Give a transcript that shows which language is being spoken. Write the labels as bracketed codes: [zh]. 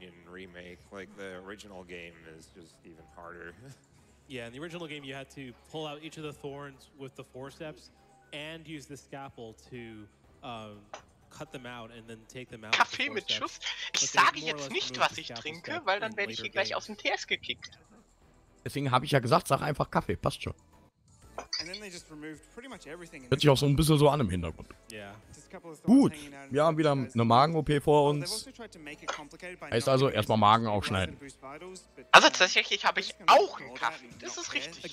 [en] Remake, like the original game is just even harder. Yeah, in the original game you had to pull out each of the thorns with the forceps and use the scalpel to cut them out and then take them out. [de] Kaffee mit Schuss? Ich sage jetzt nicht, was ich trinke, weil dann werde ich hier gleich aus dem TS gekickt. Deswegen habe ich ja gesagt, sag einfach Kaffee, passt schon. [en] And then they just removed pretty much everything. [de] Hört sich auch so ein bisschen so an im Hintergrund. [en] Yeah. [de] Gut, wir haben wieder eine Magen-OP vor uns. Heißt also, erstmal Magen aufschneiden. Also tatsächlich habe ich auch einen Kaffee, das ist richtig.